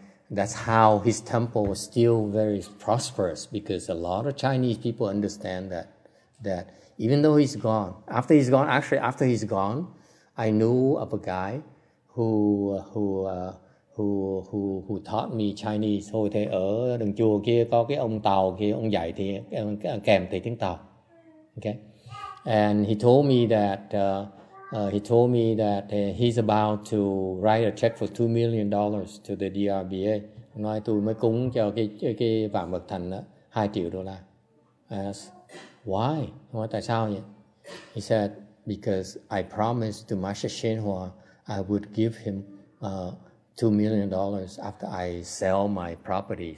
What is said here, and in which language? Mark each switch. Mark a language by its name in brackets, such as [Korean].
[English] That's how his temple was still very prosperous, because a lot of Chinese people understand that even though he's gone, after he's gone, I knew of a guy who taught me Chinese. [Vietnamese] Hồi thầy ở đường chùa kia có cái ông Tàu kia, ông dạy thì kèm thầy tiếng Tàu. [English] Okay, and he told me that he's about to write a check for $2 million to the DRBA. [Vietnamese] Nói tôi mới cúng cho cái Vạn Vật Thành đó, $2 triệu. [English] I asked, why? [Vietnamese] Nói tại sao vậy? [English] He said, because I promised to Master Shenhua I would give him $2 million after I sell my property.